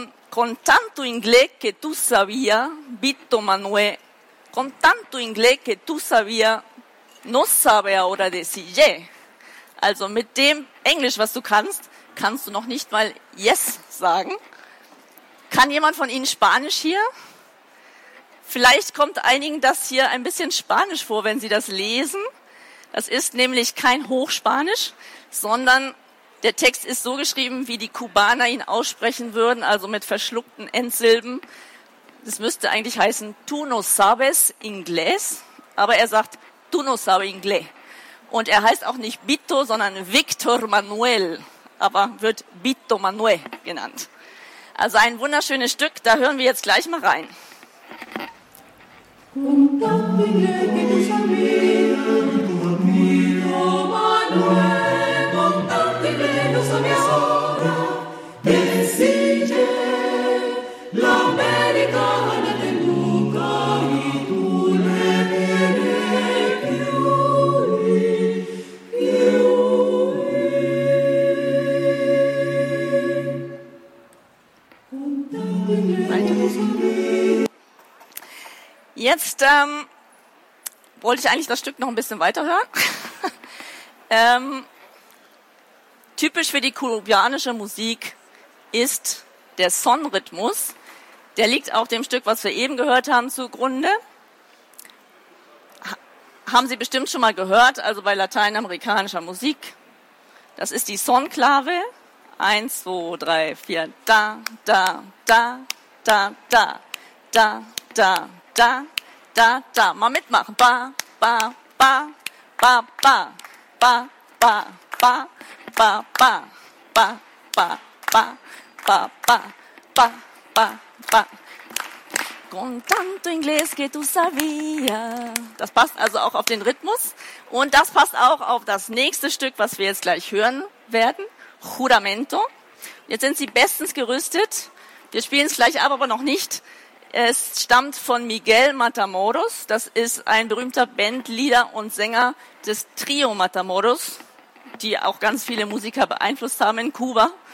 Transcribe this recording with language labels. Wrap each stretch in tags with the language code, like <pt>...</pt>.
<es>Con tanto inglés que tú sabías, Vito Manuel, con tanto inglés que tú sabías, no sabe ahora decir yes.</es> <de>Also mit dem Englisch, was du kannst, kannst du noch nicht mal yes sagen. Kann jemand von Ihnen Spanisch hier? Vielleicht kommt einigen das hier ein bisschen Spanisch vor, wenn Sie das lesen. Das ist nämlich kein Hochspanisch, sondern der Text ist so geschrieben, wie die Kubaner ihn aussprechen würden, also mit verschluckten Endsilben. Das müsste eigentlich heißen,</de> <es>tú no sabes inglés,</es> <de>aber er sagt, tú no sabes inglés. Und er heißt auch nicht Vito, sondern Víctor Manuel, aber wird Vito Manuel genannt. Also ein wunderschönes Stück, da hören wir jetzt gleich mal rein.</de> <es>Con tanto inglés que tú sabías, conmigo Manuel, con tanto inglés no sabías ahora, decirle la América de tu boca y tú le tienes que huir. Con tanto inglés que tú sabías.</es> <de>Jetzt wollte ich eigentlich das Stück noch ein bisschen weiterhören. Typisch für die kubanische Musik ist der Son-Rhythmus. Der liegt auch dem Stück, was wir eben gehört haben, zugrunde. Haben Sie bestimmt schon mal gehört, also bei lateinamerikanischer Musik. Das ist die Son-Klave. 1, 2, 3, 4. Da, da, da, da, da, da, da, da. Da, da, mal mitmachen. Ba, ba, ba, ba, ba, ba, ba, ba, ba, ba, ba, ba, ba, ba, ba, ba, ba, ba.</de> <es>Con tanto inglés que tú sabías.</es> <de>Das passt also auch auf den Rhythmus. Und das passt auch auf das nächste Stück, was wir jetzt gleich hören werden. Juramento. Jetzt sind Sie bestens gerüstet. Wir spielen es gleich aber noch nicht. Es stammt von Miguel Matamoros, das ist ein berühmter Bandleader und Sänger des Trio Matamoros, die auch ganz viele Musiker beeinflusst haben in Kuba.</de>